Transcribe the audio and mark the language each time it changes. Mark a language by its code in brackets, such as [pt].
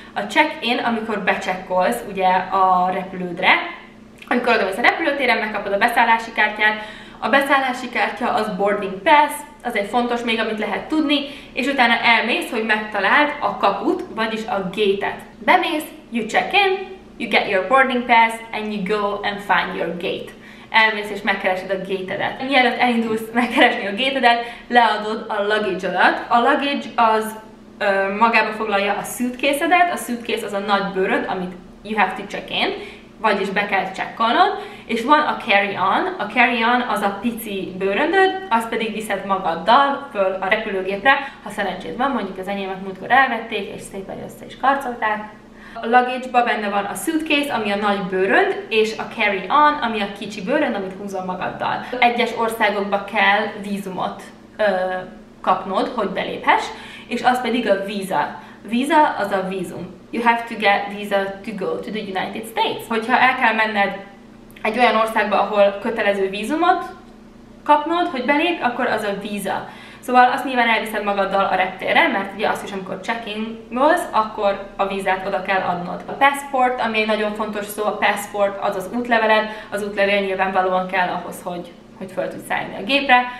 [hu] A check-in, amikor becsekkolsz ugye a repülődre, amikor oda mész a repülőtéren, megkapod a beszállási kártyát. A beszállási kártya az boarding pass, az egy fontos még, amit lehet tudni, és utána elmész, hogy megtaláld a kaput, vagyis a gate-et. Bemész, [en] you check in, you get your boarding pass, and you go and find your gate. [hu] Elmész és megkeresed a gate-edet. Mielőtt elindulsz megkeresni a gate-edet, leadod a luggage-odat. A luggage az magába foglalja a suitcase-edet, a suitcase az a nagy bőröd, amit [en] you have to check in, [hu] vagyis be kell csekkolnod, és van a carry-on. A carry-on az a pici bőröndöd, azt pedig viszed magaddal föl a repülőgépre, ha szerencséd van, mondjuk az enyémet múltkor elvették, és szépen össze is karcolták. A luggage-ba benne van a suitcase, ami a nagy bőrönd, és a carry-on, ami a kicsi bőrönd, amit húzol magaddal. Egyes országokba kell vízumot kapnod, hogy beléphess, és az pedig a visa. Visa az a vízum. [en] You have to get visa to go to the United States. [hu] Hogyha el kell menned egy olyan országba, ahol kötelező vízumot kapnod, hogy belép, akkor az a visa. Szóval azt nyilván elviszed magaddal a reptérre, mert ugye azt is, amikor check-in-olsz, akkor a vízát oda kell adnod. A passport, ami egy nagyon fontos szó, a passport az az útleveled, az útlevél nyilvánvalóan kell ahhoz, hogy föl tudsz szállni a gépre.